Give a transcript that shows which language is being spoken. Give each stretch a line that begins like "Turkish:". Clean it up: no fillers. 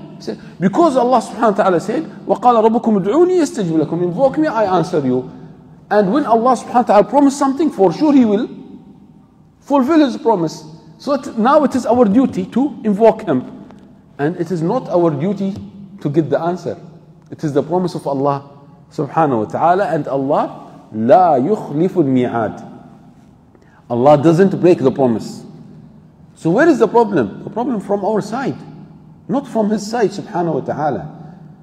English: He said, because Allah subhanahu wa ta'ala said,
Arabic: وَقَالَ رَبُّكُمْ اِدْعُونِي يَسْتَجِبْ لَكُمْ.
English: Invoke me, I answer you. And when Allah subhanahu wa ta'ala promised something, for sure He will fulfill His promise. So now it is our duty to invoke Him. And it is not our duty to get the answer. It is the promise of Allah subhanahu wa ta'ala. And Allah
Arabic: لا يخلف الميعاد.
English: Allah doesn't break the promise. So where is the problem? The problem from our side, not from His side subhanahu wa ta'ala.